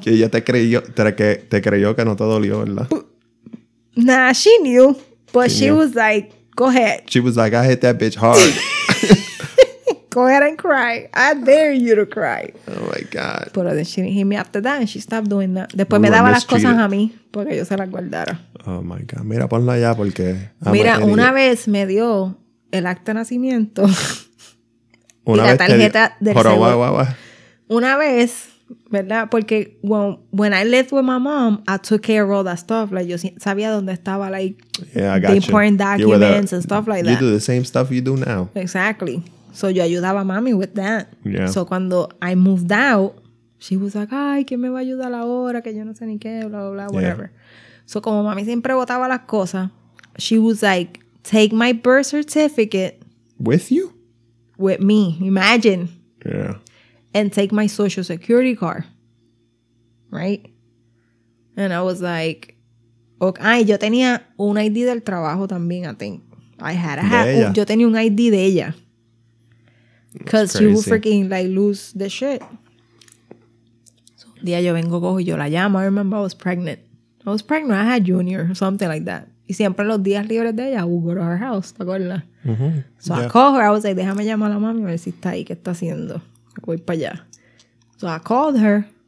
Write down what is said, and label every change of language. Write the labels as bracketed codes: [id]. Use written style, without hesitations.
[es] Que ella te creyó que no te dolió, ¿verdad? [en] Nah, she knew. But she knew. Was like, go ahead. She was like, I hit that bitch hard. Go ahead and cry. I dare you to cry. Oh, my God. But then she didn't hit me after that, and she stopped doing that. [es] Después we me daba las cosas a mí, porque yo se las guardara. [en] Oh, my God. [es] Mira, ponla allá, porque... Mira, una vez me dio el acta de nacimiento. Una vez la tarjeta del seguro. Una vez, ¿verdad? Porque [en] when I lived with my mom, I took care of all that stuff. [es] Like, yo sabía dónde estaba, like, [en] the important documents and stuff like that. You do the same stuff you do now. Exactly. [es] So yo ayudaba a mami [en] with that. Yeah. [es] So cuando [en] I moved out, she was like, [es] ay, ¿quién me va a ayudar ahora? Que yo no sé ni qué, bla, bla, bla, [en] whatever. Yeah. So [es] como mami siempre botaba las cosas, [en] she was like, take my birth certificate. With you? With me. Imagine. Yeah. And take my social security card. Right? And I was like, okay. [es] Ay, yo tenía un ID del trabajo también, [en] I think. I had a hat. [es] Yo tenía un ID de ella. [en] Because she will freaking, like, lose the shit. [es] So, un día yo vengo, cojo y yo la llamo. [en] I remember I was pregnant. I had junior or something like that. [es] Y siempre los días libres de ella, [en] I would go to her house. [es] ¿Te acuerdas? Mm-hmm. [en] So, yeah. I called her. I was like, [es] déjame llamar a la mami a ver si está ahí. ¿Qué está haciendo? Voy para allá. [en] So, I called her.